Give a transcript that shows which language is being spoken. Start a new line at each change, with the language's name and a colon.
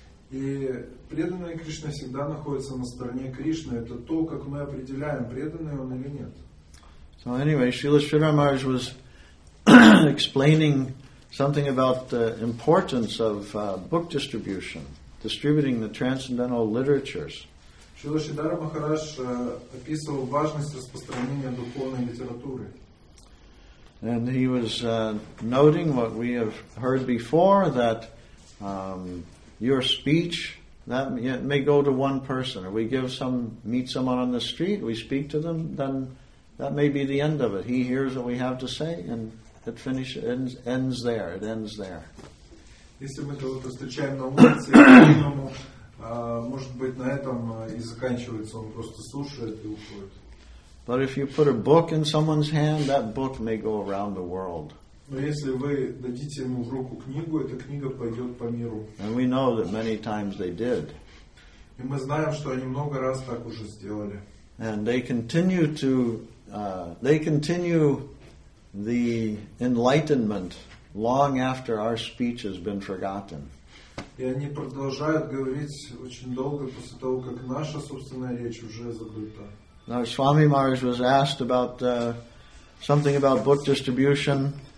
Russian: И преданный Кришна всегда находится на стороне Кришны. Это то, как мы определяем, преданный он или нет.
English: So anyway, Srila Sridhar Maharaj was explaining something about the importance of book distribution, distributing the transcendental literatures.
Russian: Srila Sridhar Maharaj описывал важность распространения духовной литературы.
English: And he was noting what we have heard before, that your speech, that it may go to one person. If we meet someone on the street, we speak to them, then that may be the end of it. He hears what we have to say, and it ends there.
Russian: Если мы кого-то встречаем на улице, по-моему, может быть, на этом и заканчивается. Он просто слушает и уходит.
English: But if you put a book in someone's hand, that book may go around the world.
Russian: Но если вы дадите ему в руку книгу, эта книга пойдет по миру.
English: And we know that many times they did.
Russian: И мы знаем, что они много раз так уже сделали.
English: And they continue the enlightenment long after our speech has been forgotten.
Russian: И они продолжают говорить очень долго после того, как наша собственная речь уже забыта.
English: Now Swami Maharaj was asked about something about book distribution.